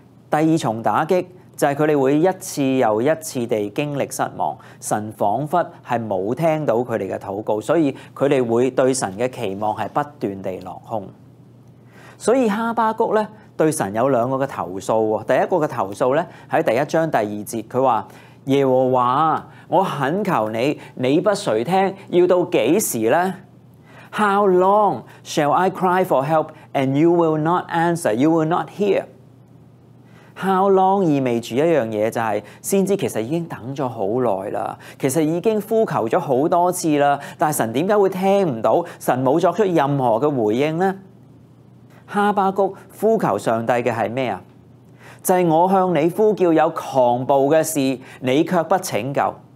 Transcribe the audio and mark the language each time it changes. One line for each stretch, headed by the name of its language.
Cantonese: 第二重打擊就是他們會一次又一次地經歷失望，神彷彿是沒有聽到他們的禱告，所以他們會對神的期望是不斷地落空。所以哈巴谷呢對神有兩個投訴，第一個投訴在第一章第二節，他說耶和華，我懇求你，你不垂聽，要到幾時呢？
English: How long shall I cry for help and you will not answer, you will not hear? How long
Cantonese: 意味著一樣嘢，就是先知其實已經等了很久了，其實已經呼求了很多次了，但神為什麼會聽不到，神沒有作出任何的回應呢？哈巴谷呼求上帝的是什么？就是我向你呼叫有狂暴的事，你却不拯救。